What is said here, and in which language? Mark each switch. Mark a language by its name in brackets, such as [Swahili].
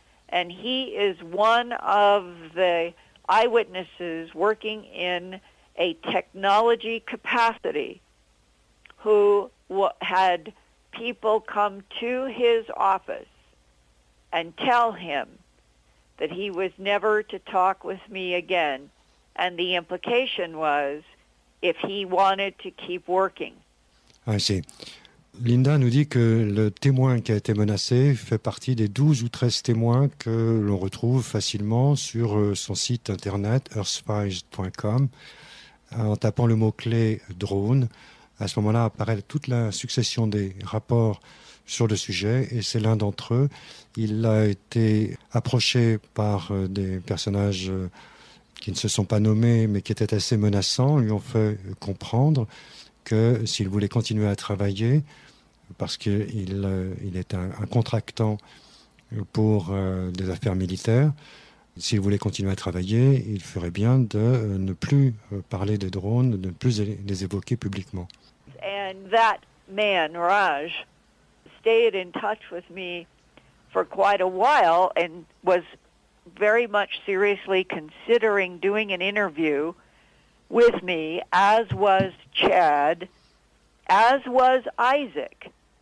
[English] And he is one of the eyewitnesses working in a technology capacity who had people come to his office and tell him that he was never to talk with me again. And the implication was if he wanted to keep working. I see. [French] Linda nous dit que le témoin qui a été menacé fait partie des 12 ou 13 témoins que l'on retrouve facilement sur son site internet earthspies.com. En tapant le mot-clé « drone », à ce moment-là apparaît toute la succession des rapports sur le sujet, et c'est l'un d'entre eux. Il a été approché par des personnages qui ne se sont pas nommés, mais qui étaient assez menaçants, lui ont fait comprendre que s'il voulait continuer à travailler, parce qu'il est un contractant pour des affaires militaires, s'il voulait continuer à travailler, il ferait bien de ne plus parler des drones, de ne plus les évoquer publiquement. [English] And that man, Raj, stayed in touch with me for quite a while and was very much seriously considering doing an interview with me, as was Chad, as was Isaac.